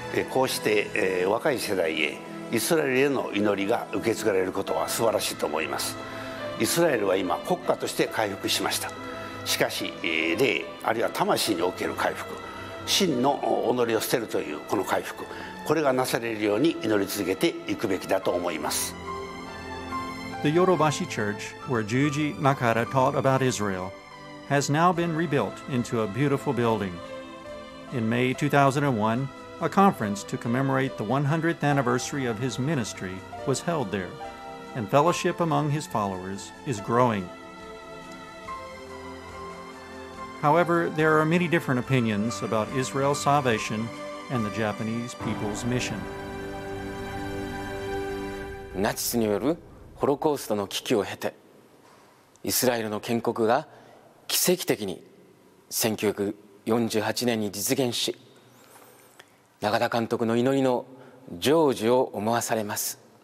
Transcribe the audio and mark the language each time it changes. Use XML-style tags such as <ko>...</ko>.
<ja>こうして若い世代へイスラエルへの祈りが受け継がれることは素晴らしいと思います。イスラエルは今国家として回復しました。しかし霊あるいは魂における回復、真の己を捨てるというこの回復、これがなされるように祈り続けていくべきだと思います。</ja> <en>The Yorobashi Church where Juji Nakara taught about Israel has now been rebuilt into a beautiful building. In May 2001, a conference to commemorate the 100th anniversary of his ministry was held there, and fellowship among his followers is growing. However, there are many different opinions about Israel's salvation and the Japanese people's mission.</en> <ja>ナチスによるホロコーストの危機を経て、イスラエルの建国が奇跡的に1948年に実現し、永田監督の祈りの成就を思わされます。</ja>